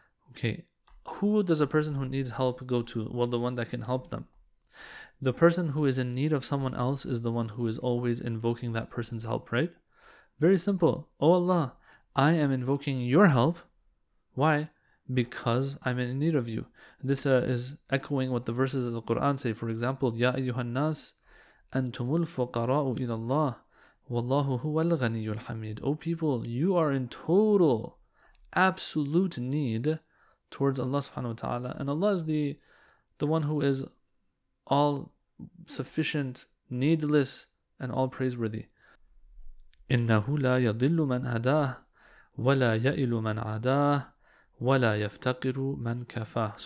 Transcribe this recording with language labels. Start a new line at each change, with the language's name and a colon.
English: Okay, who does a person who needs help go to? Well, the one that can help them. The person who is in need of someone else is the one who is always invoking that person's help, right? Very simple. Oh Allah, I am invoking Your help. Why? Because I'm in need of You. This is echoing what the verses of the Quran say. For example,
Arabic: يَا أَيُّهَا النَّاسِ أَنْتُمُ الْفُقَرَاءُ إِلَى اللَّهِ وَاللَّهُ هُوَ الْغَنِيُّ الْحَمِيدُ.
English: Oh people, you are in total, absolute need towards Allah subhanahu wa ta'ala. And Allah is the one who is all sufficient, needless, and all praiseworthy.
Arabic: إِنَّهُ لَا يَضِلُّ مَنْ هَدَاهُ وَلَا يَئِلُ مَنْ عَدَاهُ وَلَا يَفْتَقِرُ مَنْ كَفَاهُ.